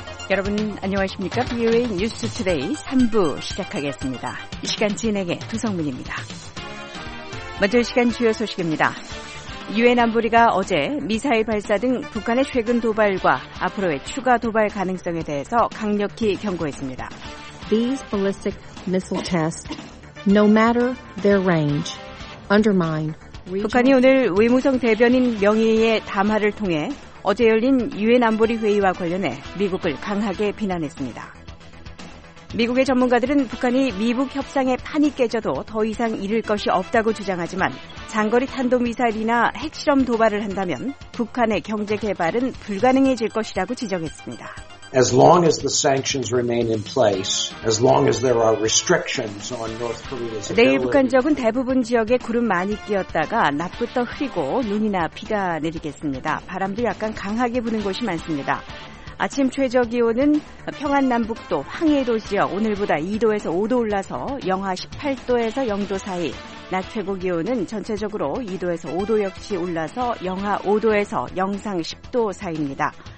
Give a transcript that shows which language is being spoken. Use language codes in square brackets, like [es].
[ko] 여러분 안녕하십니까? VOA News Today 3부 시작하겠습니다. 이 시간 진행의 두성민입니다. 먼저 이 시간 주요 소식입니다. 유엔 안보리가 어제 미사일 발사 등 북한의 최근 도발과 앞으로의 추가 도발 가능성에 대해서 강력히 경고했습니다. [en] These ballistic missile tests, no matter their range, undermine [ko] 북한이 오늘 외무성 대변인 명의의 담화를 통해 어제 열린 유엔 안보리 회의와 관련해 미국을 강하게 비난했습니다. 미국의 전문가들은 북한이 미북 협상의 판이 깨져도 더 이상 잃을 것이 없다고 주장하지만 장거리 탄도미사일이나 핵실험 도발을 한다면 북한의 경제 개발은 불가능해질 것이라고 지적했습니다. [en] As long as the sanctions remain in place, as long as there are restrictions on North Korea's ability. [ko] 내일 북한 지역은 대부분 지역에 구름 많이 끼었다가 낮부터 흐리고 눈이나 비가 내리겠습니다. 바람도 약간 강하게 부는 곳이 많습니다. 아침 최저 기온은 평안남북도 황해도 지역 오늘보다 2도에서 5도 올라서 영하 18도에서 0도 사이, 낮 최고 기온은 전체적으로 2도에서 5도 역시 올라서 영하 5도에서 영상 10도 사이입니다.